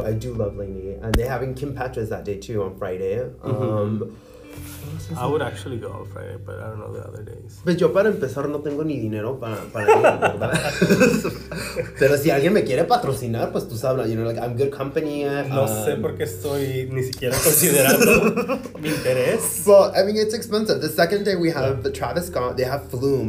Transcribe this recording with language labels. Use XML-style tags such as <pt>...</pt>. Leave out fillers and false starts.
<en>I do love Lainey, and they're having Kim Petras that day too on Friday. Mm-hmm. I would actually go on Friday, but I don't know the other days.</en> <es>Pues yo para empezar no tengo ni dinero para ir, ¿verdad? Pero si alguien me quiere patrocinar, pues tú sabes,</es> <en>you know, like, I'm good company.</en> <es>No sé por qué estoy ni siquiera considerando mi interés.</es> <en>Well, I mean, it's expensive. The second day we have the Travis Scott, they have Flume.</en>